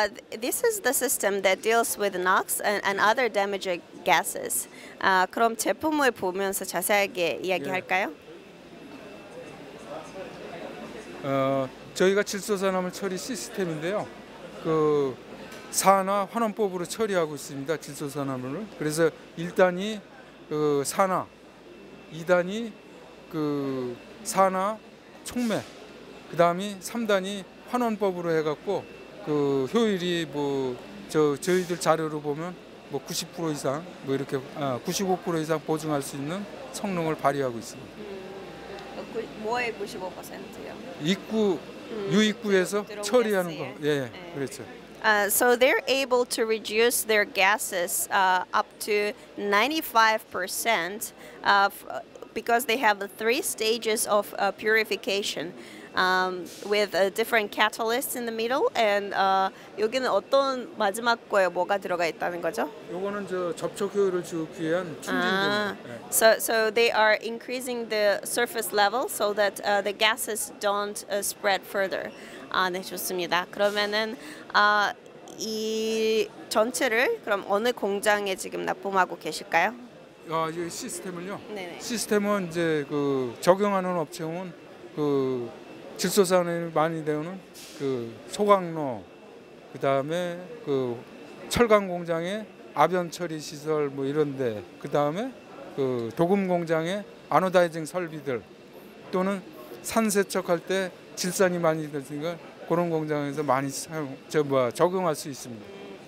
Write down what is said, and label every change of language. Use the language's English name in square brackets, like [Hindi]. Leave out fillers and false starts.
[English] This is the system that deals with NOx and other damaging gases. [Korean] 그럼 제품을 보면서 자세하게 이야기할까요? 예. 저희가 질소산화물 처리 시스템인데요. 그 산화 환원법으로 처리하고 있습니다. 질소산화물을. 그래서 1단이 그 산화, 2단이 그 산화 촉매, 그다음이 3단이 환원법으로 해 갖고 그 효율이 뭐 저희들 자료로 보면 뭐 90% 이상 뭐 이렇게 95% 이상 보증할 수 있는 성능을 발휘하고 있습니다. 뭐의 95%요? 입구 유입구에서 처리하는 거. 예, 예. 그렇죠. [English] So they're able to reduce their gases up to 95% because they have three stages of purification with different catalysts in the middle. [Korean] And 여기는 어떤 마지막 거에 뭐가 들어가 있다는 거죠? 이거는 저 접촉 효율을 주기 위한 충진기. [English] So they are increasing the surface level so that the gases don't spread further. [Korean] 아, 네, 좋습니다. 그러면은 이 전체를 그럼 어느 공장에 지금 납품하고 계실까요? 이 시스템을요. 네네. 시스템은 이제 그 적용하는 업체는 그 질소산화물이 많이 되는 그 소강로, 그 다음에 그 철강 공장의 압연 처리 시설 뭐 이런데, 그 다음에 그 도금 공장의 아노다이징 설비들 또는 산 세척할 때 질산이 많이 들으니까 그런 공장에서 많이 사용 적용할 수 있습니다.